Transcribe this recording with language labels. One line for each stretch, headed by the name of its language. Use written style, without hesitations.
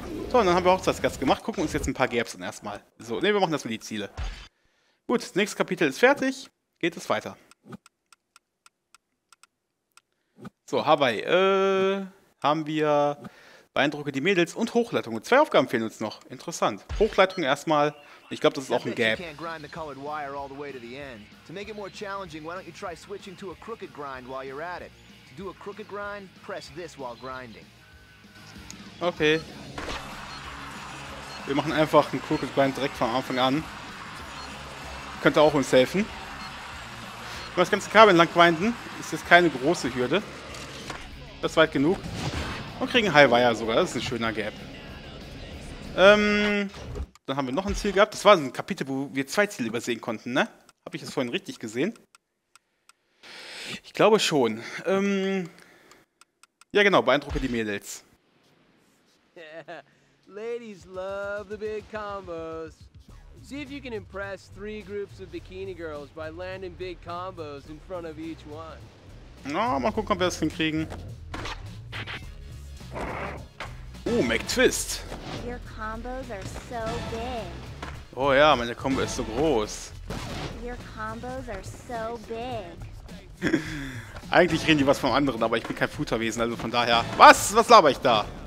German: So, und dann haben wir Hochzeitsgast gemacht. Gucken uns jetzt ein paar Gaps an erstmal. So, ne, wir machen das für die Ziele. Gut, nächstes Kapitel ist fertig. Geht es weiter. So, Hawaii. Haben wir... Beeindrucke die Mädels und Hochleitung. 2 Aufgaben fehlen uns noch. Interessant. Hochleitung erstmal. Ich glaube, das ist auch ein Gap.
English: You can't grind the colored wire all the way to the end. To make it more challenging, why don't you try switching to a crooked grind while you're at it? To do a crooked grind, press this while grinding. Okay.
German: Wir machen einfach einen crooked grind direkt von Anfang an. Könnte auch uns helfen. Wenn wir das ganze Kabel lang grinden, ist das keine große Hürde. Das ist weit genug. Und kriegen High Wire sogar. Das ist ein schöner Gap. Dann haben wir noch ein Ziel gehabt. Das war ein Kapitel, wo wir zwei Ziele übersehen konnten, ne? Habe ich das vorhin richtig gesehen? Ich glaube schon. Ja genau, beeindrucke die Mädels.
English: Ladies love the big combos. See if you can impress three groups of bikini girls by landing big combos in front of each one.
German: Na, mal gucken, ob wir das hinkriegen. Oh, McTwist.
English: Your combos are so big.
German: Oh ja, meine Combo ist so groß.
English: Your combos are so big.
German: Eigentlich reden die was vom anderen, aber ich bin kein Footerwesen, also von daher. Was? Was laber ich da?